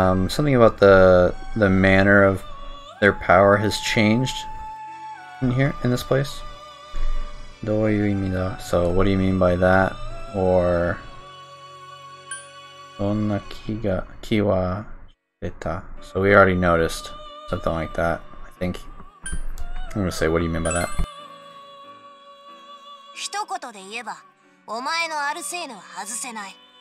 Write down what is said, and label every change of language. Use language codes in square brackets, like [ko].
[en] Something about the manner of their power has changed in this place. [ja] どういう意味だ? [en] So what do you mean by that? [ja] Or どんな気が、気はした? [en] So we already noticed something like that, I think. I'm gonna say, what do you mean by that? [ja] 一言で言えば、お前のアルセーヌは外せない。